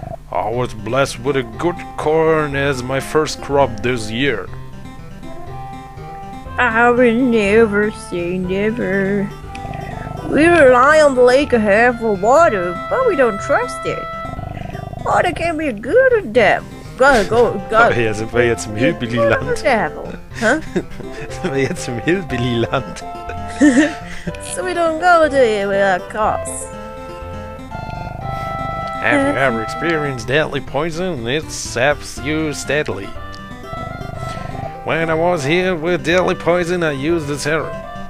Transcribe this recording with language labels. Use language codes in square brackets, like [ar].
[en] I was blessed with a good corn as my first crop this year. I will never say never. We rely on the lake ahead for water, but we don't trust it. Water can be good or devil. [de] Aber hier sind wir jetzt im Hillbilly-Land. Sind wir jetzt im Hillbilly-Land. [en] So we don't go to it without cross. Have you ever experienced deadly poison? It saps you steadily. When I was here with deadly poison, I used the serum.